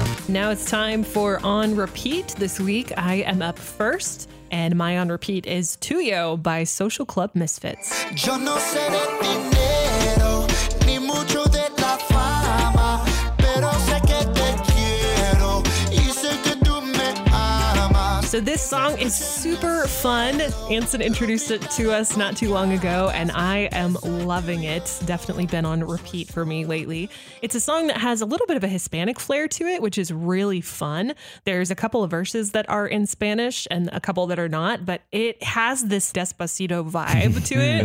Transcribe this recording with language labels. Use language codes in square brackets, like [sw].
[en] Now it's time for On Repeat. This week, I am up first, and my On Repeat is Tuyo by Social Club Misfits. [es] Yo no seré dinero, ni mucho de la fama, pero sé que te quiero, y sé que tú me amas. [en] So this song is super fun. Ansen introduced it to us not too long ago, and I am loving it. Definitely been on repeat for me lately. It's a song that has a little bit of a Hispanic flair to it, which is really fun. There's a couple of verses that are in Spanish and a couple that are not, but it has this Despacito vibe to it.